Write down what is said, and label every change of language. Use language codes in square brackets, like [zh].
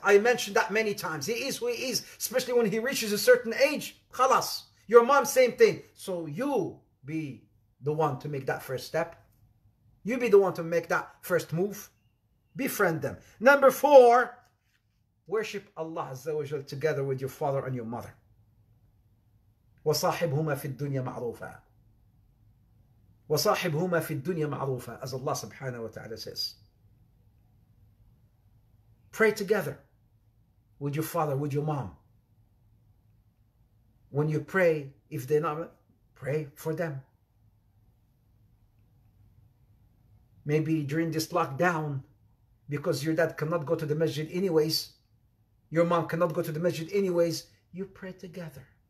[en] I mentioned that many times. He is who he is, especially when he reaches a certain age. Khalas. Your mom, same thing. So you be the one to make that first step. You be the one to make that first move. Befriend them. Number four, worship Allah Azza wa Jal together with your father and your mother. [ar] وَصَاحِبْهُمَا فِي الدُّنْيَا مَعْرُوفًا وَصَاحِبْهُمَا فِي الدُّنْيَا مَعْرُوفًا [en] As Allah subhanahu wa ta'ala says. Pray together with your father, with your mom. When you pray, if they're not, pray for them. Maybe during this lockdown, because your dad cannot go to the masjid anyways, your mom cannot go to the masjid anyways, you pray together.